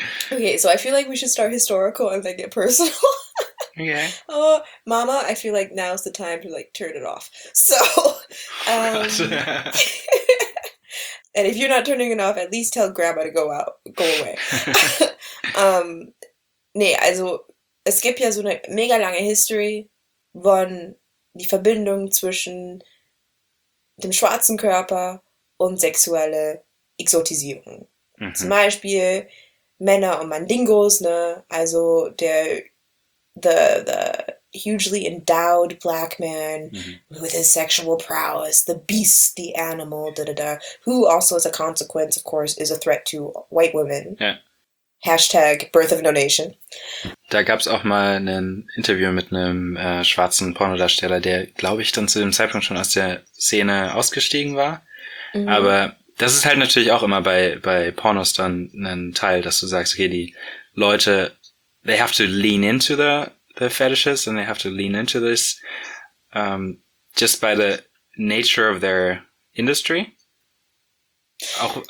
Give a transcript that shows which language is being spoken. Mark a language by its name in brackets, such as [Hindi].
[English] Okay, so I feel like we should start historical and then get personal. Okay. Oh, mama, I feel like now's the time to like turn it off. So, Oh, and if you're not turning it off, at least tell grandma to go out, go away. God. [German] Nee, also es gibt ja so eine mega lange History von die Verbindung zwischen dem schwarzen Körper und sexuelle Exotisierung. Zum Beispiel Männer und Mandingos, ne? [English] Also the hugely endowed black man with his sexual prowess, the beast, the animal, da da da, who also as a consequence, of course, is a threat to white women. Hashtag Birth of No Nation. [German] Da gab es auch mal ein Interview mit einem schwarzen Pornodarsteller, der, glaube ich, dann zu dem Zeitpunkt schon aus der Szene ausgestiegen war. Aber das ist halt natürlich auch immer bei Pornos dann ein Teil, dass du sagst, okay, die Leute, [English] they have to lean into the fetishes and they have to lean into this just by the nature of their industry. [German] Auch,